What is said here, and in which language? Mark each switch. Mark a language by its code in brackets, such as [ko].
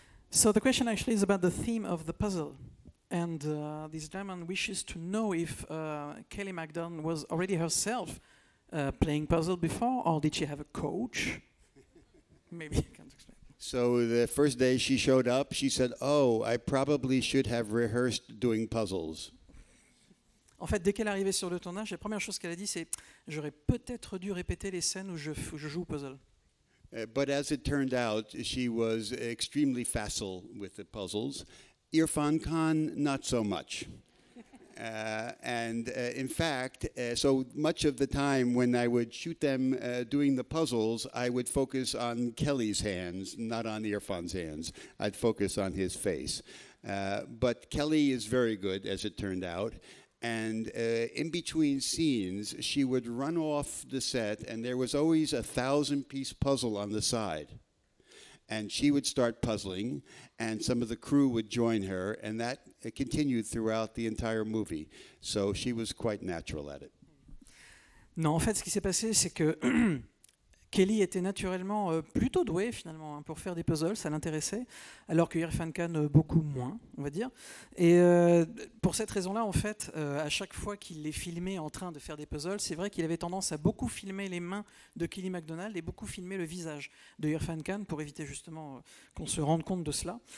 [en] So the question actually is about the theme of the puzzle. And this gentleman wishes to know if Kelly MacDonald was already herself playing puzzle before, or did she have a coach? Maybe I can't explain. So the first day she showed up, she said, oh, I probably should have rehearsed doing puzzles. [fr] En fait, dès qu'elle arrivait sur le tournage, la première chose qu'elle a dit, c'est, j'aurais peut-être dû répéter les scènes où je joue puzzle. [en] But as it turned out, she was extremely facile with the puzzles. Irfan Khan, not so much. So much of the time when I would shoot them doing the puzzles, I would focus on Kelly's hands, not on Irfan's hands. I'd focus on his face. But Kelly is very good, as it turned out. And in between scenes, she would run off the set, and there was always a 1,000-piece puzzle on the side. And she would start puzzling, and some of the crew would join her, and that continued throughout the entire movie. So she was quite natural at it. [fr] Non, en fait, ce qui s'est passé, c'est que Kelly était naturellement plutôt douée, finalement, pour faire des puzzles, ça l'intéressait, alors que Irfan Khan, beaucoup moins, on va dire. Et pour cette raison-là, en fait, à chaque fois qu'il les filmait en train de faire des puzzles, c'est vrai qu'il avait tendance à beaucoup filmer les mains de Kelly MacDonald et beaucoup filmer le visage de Irfan Khan pour éviter justement qu'on se rende compte de cela.